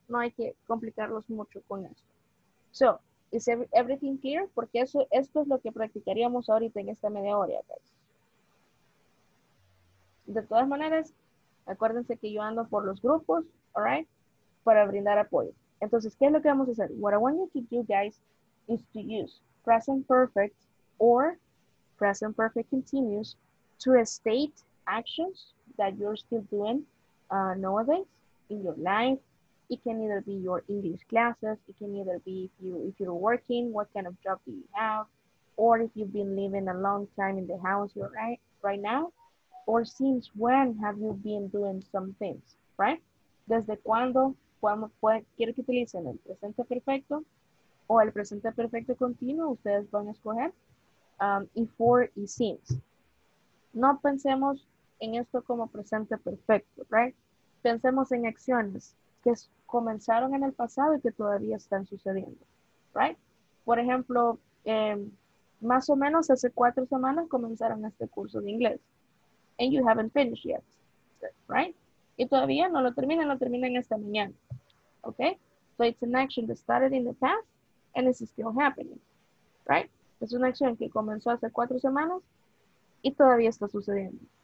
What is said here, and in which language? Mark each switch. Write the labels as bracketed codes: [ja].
[es] No hay que complicarlos mucho con esto. [en] So, is everything clear? [es] Porque eso, esto es lo que practicaríamos ahorita en esta media hora, guys. De todas maneras, acuérdense que yo ando por los grupos, [en] all right? [es] Para brindar apoyo. Entonces, ¿qué es lo que vamos a hacer? [en] What I want you to do, guys, is to use present perfect or present perfect continuous to state actions that you're still doing nowadays in your life. It can either be your English classes. It can either be if you're working, what kind of job do you have? Or if you've been living a long time in the house you're right now. Or since when have you been doing some things, right? [es] Desde cuando, quiero que utilicen el presente perfecto o el presente perfecto continuo, ustedes van a escoger. Y for y since. No pensemos en esto como presente perfecto, right? Pensemos en acciones que comenzaron en el pasado y que todavía están sucediendo, right? Por ejemplo, más o menos hace 4 semanas comenzaron este curso de inglés. [en] And you haven't finished yet, right? [es] Y todavía no lo terminan esta mañana. [en] Okay? So it's an action that started in the past and it's still happening. Right? [es] Es una acción que comenzó hace 4 semanas y todavía está sucediendo.